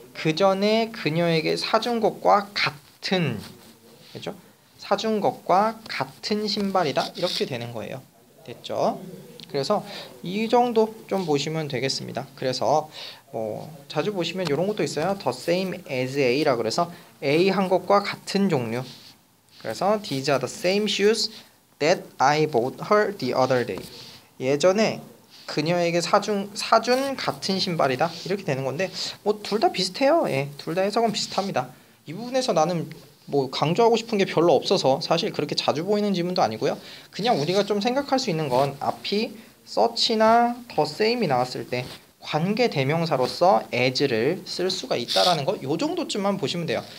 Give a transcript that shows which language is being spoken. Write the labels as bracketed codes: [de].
[ko] 그 전에 그녀에게 사준 것과 같은. 그죠? 사준 것과 같은 신발이다. 이렇게 되는 거예요. 됐죠? 그래서 이 정도 좀 보시면 되겠습니다. 그래서 뭐 자주 보시면 이런 것도 있어요. [en] The same as [ko] A라 그래서 A 한 것과 같은 종류. 그래서 [en] These are the same shoes that I bought her the other day. [ko] 예전에 그녀에게 사준 같은 신발이다. 이렇게 되는 건데 뭐둘다 비슷해요. 예, 둘다 해석은 비슷합니다. 이 부분에서 나는 뭐 강조하고 싶은 게 별로 없어서 사실 그렇게 자주 보이는 지문도 아니고요. 그냥 우리가 좀 생각할 수 있는 건 앞이 such이나 the same이 나왔을 때 관계 대명사로서 as를 쓸 수가 있다라는 거요 정도쯤만 보시면 돼요.